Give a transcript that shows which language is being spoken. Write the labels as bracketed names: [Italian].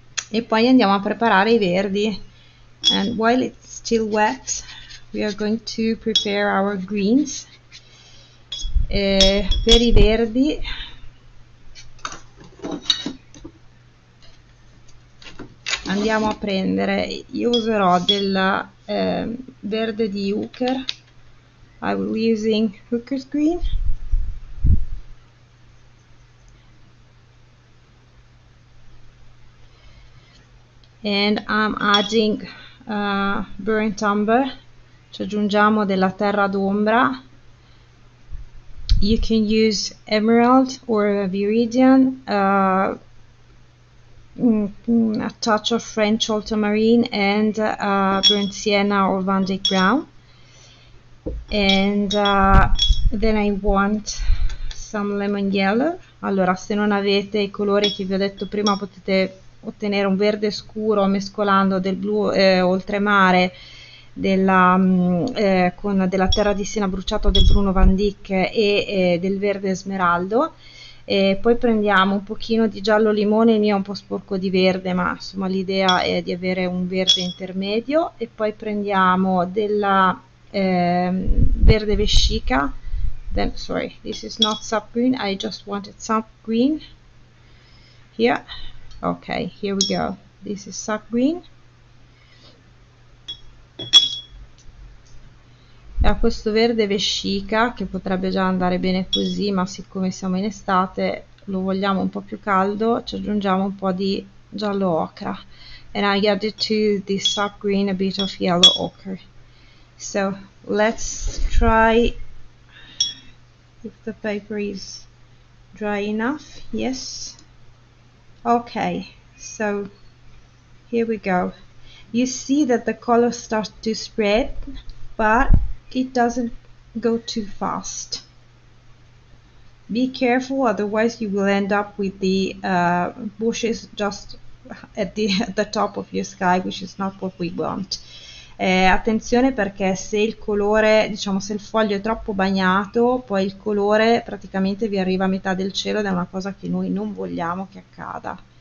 [Italian] E poi andiamo a preparare i verdi. [English] And while it's still wet, we are going to prepare our greens. [Italian] E per i verdi, andiamo a prendere, io userò del verde di Hooker. [English] I will be using Hooker's green. And I'm adding burnt umber. [Italian] Ci aggiungiamo della terra d'ombra. [English] You can use emerald or viridian, a touch of French ultramarine and burnt sienna or Van Dyck brown. And then I want some lemon yellow. [Italian] Allora, se non avete i colori che vi ho detto prima, potete ottenere un verde scuro mescolando del blu oltremare con della terra di Siena bruciata del Bruno Van Dyck e del verde smeraldo. E poi prendiamo un pochino di giallo limone, il mio è un po' sporco di verde, ma insomma l'idea è di avere un verde intermedio. E poi prendiamo della verde vescica. [English] Then, sorry, this is not sap green, I just wanted sap green here. Ok, here we go. This is sap green. E a questo verde vescica, che potrebbe già andare bene così, ma siccome siamo in estate, lo vogliamo un po' più caldo, ci aggiungiamo un po' di giallo ocra. And I added to this sap green a bit of yellow ochre. So, let's try if the paper is dry enough. Yes. Okay, so here we go. You see that the color starts to spread, but it doesn't go too fast. Be careful, otherwise you will end up with the bushes just at the top of your sky, which is not what we want. [Italian] Attenzione, perché se il colore, diciamo, se il foglio è troppo bagnato, poi il colore praticamente vi arriva a metà del cielo ed è una cosa che noi non vogliamo che accada.